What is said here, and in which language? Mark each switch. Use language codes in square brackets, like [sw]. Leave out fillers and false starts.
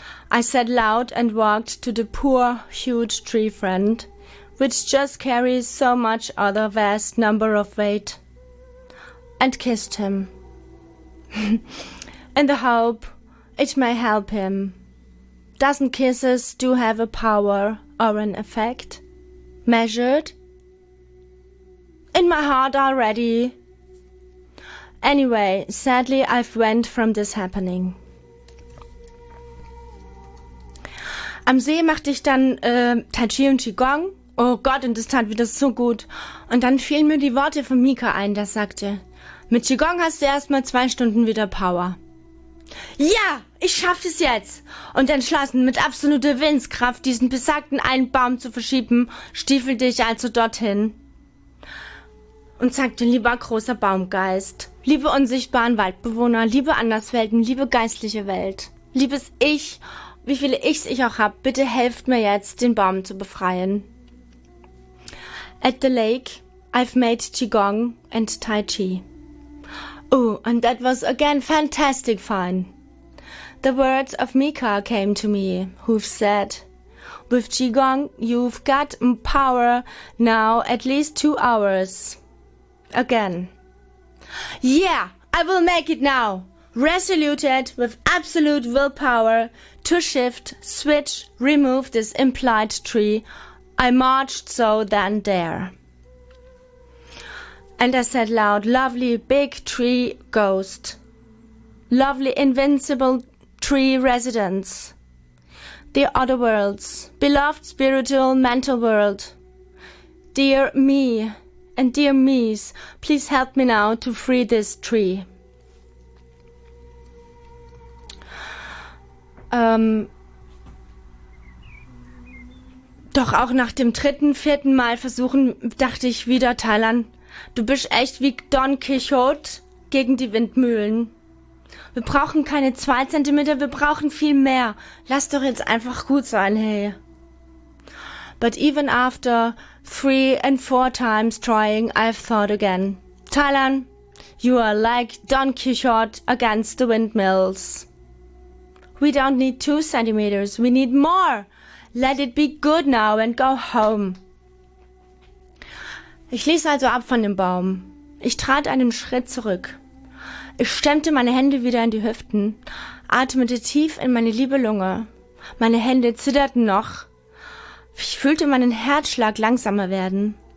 [en] I said loud and walked to the poor, huge tree friend, which just carries so much other vast number of weight, and kissed him, in the hope it may help him. Doesn't kisses do have a power or an effect? Measured? In my heart already. Anyway, sadly, I've went from this happening. [de] Am See machte ich dann Tai Chi und Qigong. Oh Gott, und das tat wieder so gut. Und dann fielen mir die Worte von Mika ein, der sagte, mit Qigong hast du erstmal 2 Stunden wieder Power. Ja, ich schaffe es jetzt. Und entschlossen, mit absoluter Willenskraft diesen besagten einen Baum zu verschieben, stiefelte ich also dorthin. Und sagte, lieber großer Baumgeist, liebe unsichtbaren Waldbewohner, liebe Anderswelten, liebe geistliche Welt, liebes Ich, wie viele Ichs ich auch hab, bitte helft mir jetzt, den Baum zu befreien. [en] At the lake, I've made Qigong and Tai Chi. Oh, and that was again fantastic fun. The words of Mika came to me, who've said, with Qigong, you've got power now at least 2 hours. Again. Yeah, I will make it now. Resoluted with absolute willpower to shift, switch, remove this implied tree, I marched so then there. And I said loud, lovely big tree ghost, lovely invincible tree residence, the other worlds, beloved spiritual mental world, dear me, And dear Mies, please help me now to free this tree. [de] Doch auch nach dem dritten, vierten Mal versuchen, dachte ich wieder, Talan, du bist echt wie Don Quixote gegen die Windmühlen. Wir brauchen keine 2 Zentimeter, wir brauchen viel mehr. Lass doch jetzt einfach gut sein, hey. [en] But even after 3 and 4 times trying, I've thought again. Talan, you are like Don Quixote against the windmills. We don't need 2 centimeters, we need more. Let it be good now and go home. [de] Ich ließ also ab von dem Baum. Ich trat einen Schritt zurück. Ich stemmte meine Hände wieder in die Hüften, atmete tief in meine liebe Lunge. Meine Hände zitterten noch. Ich fühlte meinen Herzschlag langsamer werden.